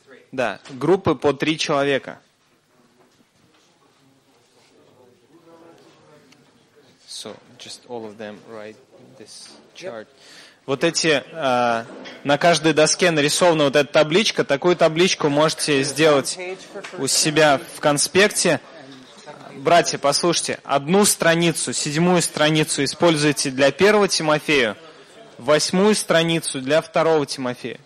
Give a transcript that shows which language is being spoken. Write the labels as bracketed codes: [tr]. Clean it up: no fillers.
[ru] Да, группы по три человека. [en] So, just all of them write this chart. Yep. [ru] Вот эти, на каждой доске нарисована вот эта табличка. Такую табличку можете сделать у себя в конспекте. Братья, послушайте, одну страницу, седьмую страницу используйте для 1 Тимофея, восьмую страницу для 2 Тимофея.